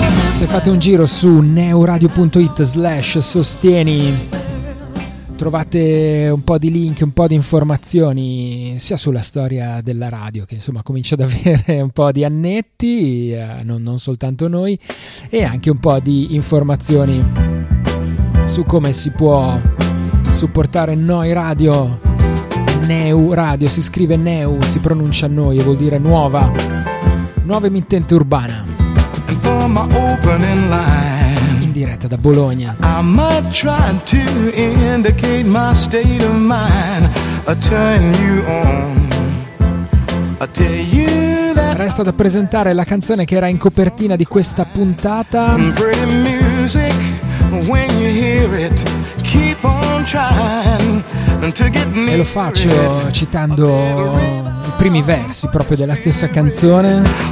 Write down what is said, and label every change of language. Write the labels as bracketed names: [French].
[Italian] Se fate un giro su neoradio.it/sostieni trovate un po' di link, un po' di informazioni sia sulla storia della radio, che insomma comincia ad avere un po' di annetti, non soltanto noi, e anche un po' di informazioni su come si può supportare Noi Radio. Neu Radio si scrive Neu, si pronuncia Noi e vuol dire nuova, nuova emittente urbana. [English] And for my opening line, [Italian] diretta da Bologna. [English] I might try to indicate my state of mind. I turn you on. I tell you that. [Italian] Resta da presentare la canzone che era in copertina di questa puntata. [English] Pretty music, when you hear it, keep on trying. [Italian] e lo faccio citando i primi versi proprio della stessa canzone.